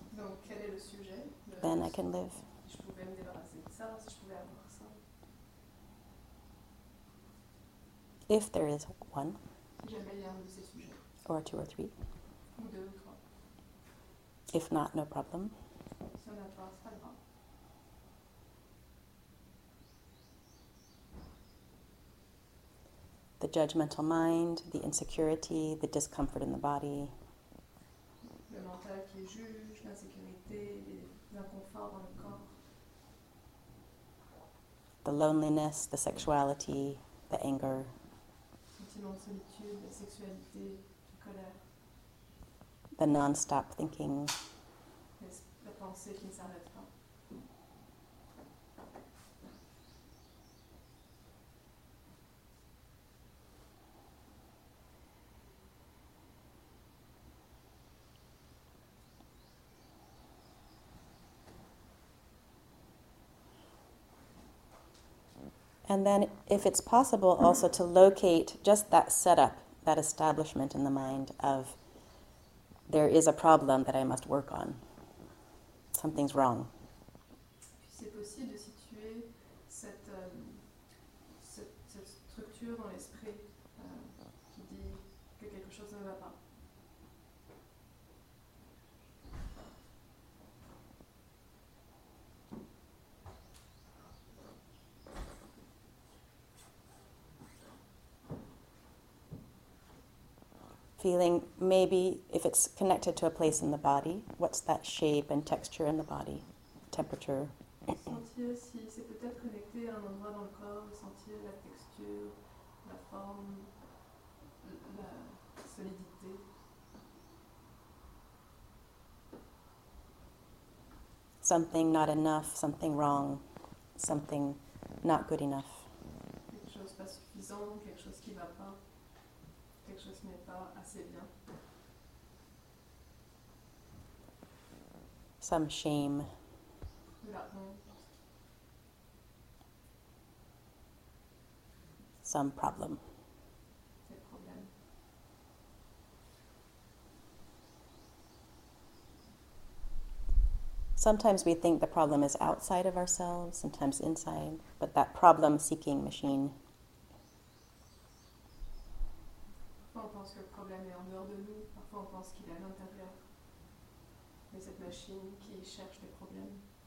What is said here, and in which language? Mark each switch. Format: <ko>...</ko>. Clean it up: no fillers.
<fr>donc, quel est le sujet de</fr> <en>then I can live.</en> <fr>Je pouvais me débarrasser de ça, si je pouvais avoir ça.</fr> <en>If there is one,</en> <fr>si jamais il y a un de ces sujets.</fr> <en>Or two or three.</en> <fr>Ou deux ou trois.</fr> <en>If not, no problem.</en> <fr>Si on n'a pas, c'est pas grave.</fr> <en>The judgmental mind, the insecurity, the discomfort in the body.</en> <fr>Le mental qui juge, l'insécurité, l'inconfort dans le corps.</fr> <en>The loneliness, the sexuality, the anger.</en> <fr>Sentiment de solitude, la sexualité, la colère.</fr> <en>The non-stop thinking.</en> <fr>La pensée qui ne s'arrête pas.</fr> <en>And then, if it's possible, also to locate just that setup, that establishment in the mind of there is a problem that I must work on. Something's wrong.</en> <fr>C'est possible de situer cette, cette structure dans l'esprit qui dit que quelque chose ne va pas.</fr> <en>Feeling maybe if it's connected to a place in the body, what's that shape and texture in the body, temperature?</en> <fr>Sentir si c'est peut-être connecté à un endroit dans le corps, sentir la texture, la forme, la solidité.</fr> <en>Something not enough, something wrong, something not good enough.</en> <fr>Quelque chose pas suffisant, quelque chose qui ne va pas. Quelque chose n'est pas assez bien.</fr> <en>Some shame.</en> <fr>La honte.</fr> <en>Some problem.</en> <fr>Des problèmes.</fr> <en>Sometimes we think the problem is outside of ourselves, sometimes inside, but that problem seeking machine.</en> <fr>On pense que le problème est en dehors de nous, parfois on pense qu'il est à l'intérieur de cette machine qui cherche des problèmes.</fr>